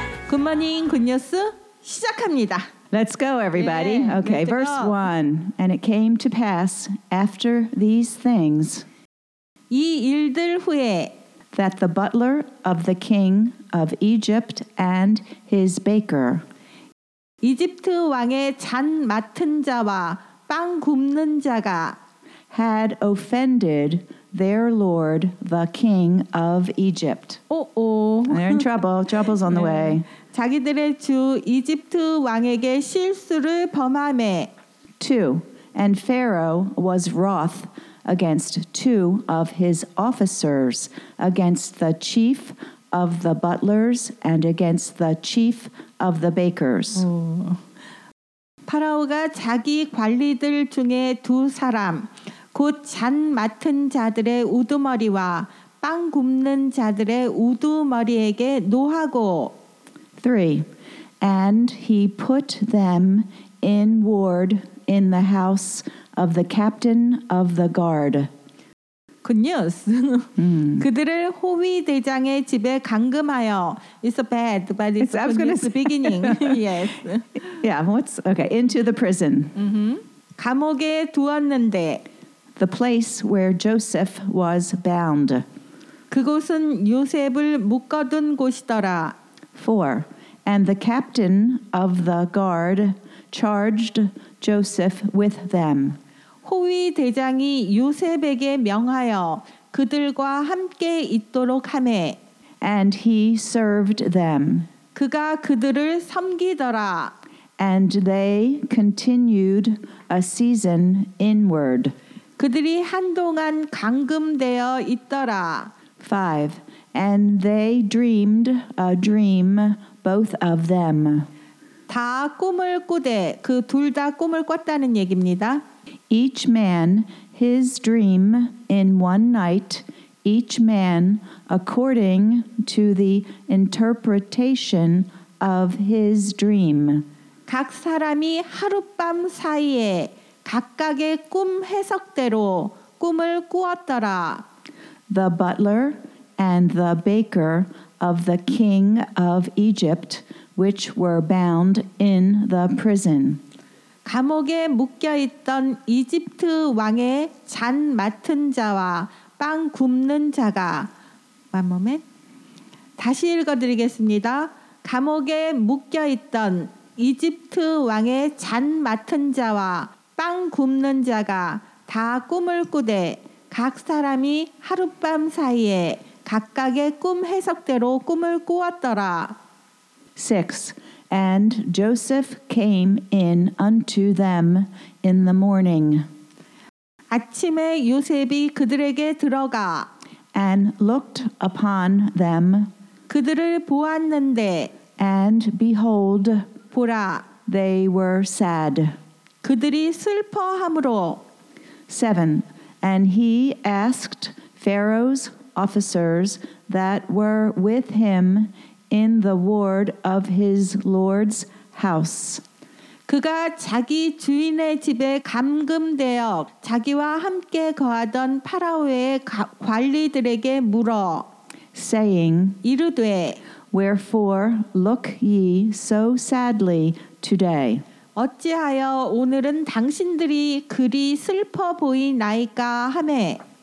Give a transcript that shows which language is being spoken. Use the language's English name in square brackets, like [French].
[English] Good news, [Korean] 시작합니다. [English] Let's go, everybody. 네, okay, verse 1. And it came to pass after these things, [Korean] 이 일들 후에, [English] that the butler of the king of Egypt and his baker, [Korean] 이집트 왕의 잔 맡은 자와 빵 굽는 자가, [English] had offended their lord, the king of Egypt. They're in trouble. Trouble's on the 네. way. [Korean] 자기들의 주 이집트 왕에게 실수를 범함에. 2. [English] And Pharaoh was wroth against two of his officers, against the chief of the butlers and against the chief of the bakers. [Korean] 파라오가 자기 관리들 중에 두 사람, 곧 잔 맡은 자들의 우두머리와 빵 굽는 자들의 우두머리에게 노하고. 3. [English] And he put them in ward in the house of the captain of the guard. Good news. Mm. [Korean] 그들을 호위대장의 집에 감금하여. [English] It's a bad, but it's a good news beginning. Yes. Yeah, what's, okay, into the prison. [Korean] Mm-hmm. 감옥에 두었는데. [English] The place where Joseph was bound. [Korean] 그곳은 요셉을 묶어둔 곳이더라. 4. [English] And the captain of the guard charged Joseph with them. [Korean] 호위 대장이 요셉에게 명하여 그들과 함께 있도록 하매. [English] And he served them. [Korean] 그가 그들을 섬기더라. [English] And they continued a season inward. [Korean] 그들이 한동안 감금되어 있더라. 5. [English] And they dreamed a dream. Both of them. [Korean] 다 꿈을 꾸되 그 둘 다 꿈을 꿨다는 얘기입니다. [English] Each man his dream in one night, each man according to the interpretation of his dream. [Korean] 각 사람이 하룻밤 사이에 각각의 꿈 해석대로 꿈을 꾸었더라. [English] The butler and the baker of the king of Egypt, which were bound in the prison. [Korean] 감옥에 묶여 있던 이집트 왕의 잔 맡은 자와 빵 굽는 자가 [English] One moment. [Korean] 다시 읽어드리겠습니다. 감옥에 묶여 있던 이집트 왕의 잔 맡은 자와 빵 굽는 자가 다 꿈을 꾸되 각 사람이 하룻밤 사이에 각각의 꿈 해석대로 꿈을 꾸었더라. 6. [English] And Joseph came in unto them in the morning. [Korean] 아침에 요셉이 그들에게 들어가 [English] And looked upon them. [Korean] 그들을 보았는데 [English] And behold, [Korean] 보라, [English] they were sad. [Korean] 그들이 슬퍼함으로 7. [English] And he asked Pharaoh's officers that were with him in the ward of his lord's house. [Korean] 그가 자기 주인의 집에 감금되어 자기와 함께 거하던 파라오의 관리들에게 물어 [English] saying [Korean] 이르되 [English] Wherefore look ye so sadly today? [Korean] 어찌하여 오늘은 당신들이 그리 슬퍼 보이나이까 하매